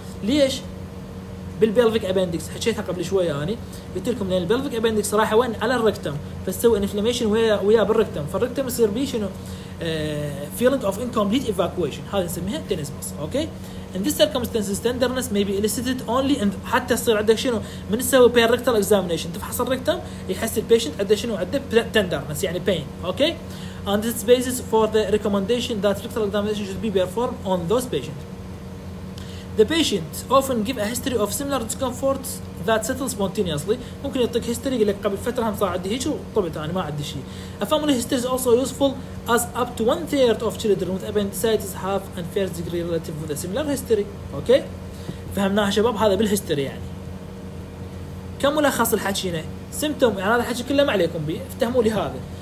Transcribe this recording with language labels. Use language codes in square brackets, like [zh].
[ar] ليش؟ بالبيلفيك ابندكس حكيتها قبل شوي، يعني قلت لكم لان البيلفيك ابندكس راح وين؟ على الركتم، فتسوي انفلاميشن ويا بالركتم، فالركتم يصير بيه شنو؟ [en] feeling of incomplete evacuation، [ar] هذه نسميها تنزمس، اوكي؟ [en] In this circumstance, tenderness may be elicited only in [ar] حتى يصير عندك شنو؟ من تسوي بير ركتال اكزامينيشن تفحص الركتم يحس البيشنت عنده شنو؟ عنده تندرنس يعني بين، اوكي؟ [en] And it's basis for the recommendation that rectal examination should be performed on those patients. The patient often give a history of similar discomfort that settles spontaneously. [ar] ممكن يعطيك هيستوري يقول لك قبل فترة هم صار عندي هيك وطبت أنا ما عندي شيء. [en] A family history is also useful as up to one third of children with appendicitis have a first degree relative with a similar history. [ar] Okay؟ فهمناها شباب هذا بالهيستوري يعني. كم ملخص الحكي هنا؟ سيمتوم يعني هذا الحكي كله ما عليكم بيه، افتهموا لي هذا.